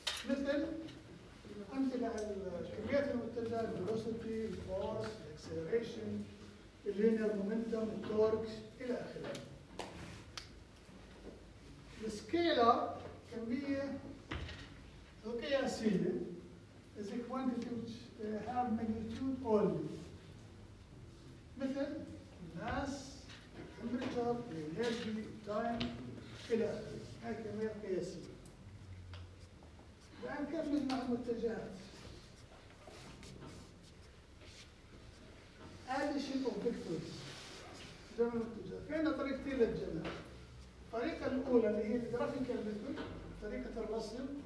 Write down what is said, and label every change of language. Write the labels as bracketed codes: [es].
[ar] مثل أمثلة الكميات المتجهة, velocity, force, acceleration, linear momentum, torque, إلى آخره. [en] The scalar can be a قياسية is a quantity which have magnitude only. [ar] مثل mass, temperature, energy, time, إلى آخره. هاي كمية قياسية. الآن كيف نجمع المتجهات؟ [en] Addition of vectors. [ar] جمع المتجهات. في عندنا طريقتين للجمع. الطريقة الأولى اللي هي graphical method, طريقة الرسم.